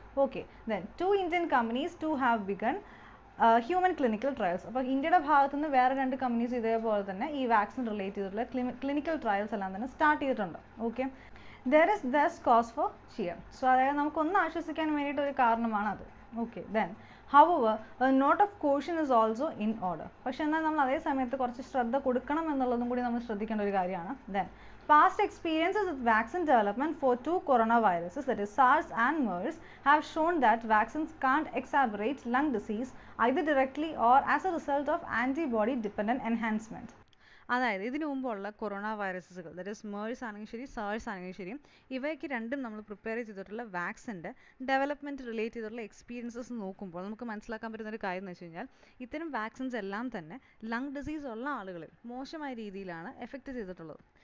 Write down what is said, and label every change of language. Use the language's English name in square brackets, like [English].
[English] Okay, then 2 Indian companies to have begun human clinical trials. [Malayalam] അപ്പോൾ ഇന്ത്യയുടെ ഭാഗത്തു നിന്ന് വേറെ 2 companies ഇതേപോലെ തന്നെ ഈ വാക്സിൻ റിലേറ്റ് ചെയ്തിട്ടുള്ള ക്ലിനിക്കൽ ട്രയൽസ് എല്ലാം തന്നെ സ്റ്റാർട്ട് ചെയ്തിട്ടുണ്ട്. [English] Okay, there is thus cause for cheer. [Malayalam] So അതായത് നമുക്കൊന്ന് ആശ്വസിക്കാൻ വേണ്ടിയിട്ടൊരു കാരണമാണ് അത്. [English] Okay, then however not of caution is also in order. [Malayalam] പക്ഷേ എന്നാൽ നമ്മൾ അതേ സമയത്ത് കുറച്ച് ശ്രദ്ധ കൊടുക്കണം എന്നുള്ളതും കൂടി നമ്മൾ ശ്രദ്ധിക്കേണ്ട ഒരു കാര്യമാണ്. Then [English] Past experiences with vaccine development for two coronaviruses, that is SARS and MERS, have shown that vaccines can't exacerbate lung disease either directly or as a result of antibody dependent enhancement. [Malayalam] അതായത് ഇതിനു മുമ്പുള്ള corona വൈറസുകൾ that is Merz ആണെങ്കിലും ശരി SARS ആണെങ്കിലും ശരി ഇവയ്ക്ക് രണ്ടും നമ്മൾ പ്രിപ്പയർ ചെയ്തിട്ടുള്ള വാക്സിൻ്റെ ഡെവലപ്മെൻറ്റ് റിലേറ്റ് ചെയ്തിട്ടുള്ള എക്സ്പീരിയൻസസ് നോക്കുമ്പോൾ നമുക്ക് മനസ്സിലാക്കാൻ പറ്റുന്ന ഒരു കാര്യം എന്ന് വെച്ച് കഴിഞ്ഞാൽ ഇത്തരം വാക്സിൻസ് എല്ലാം തന്നെ ലങ് ഡിസീസ് ഉള്ള ആളുകൾ മോശമായ രീതിയിലാണ് എഫക്റ്റ് ചെയ്തിട്ടുള്ളത്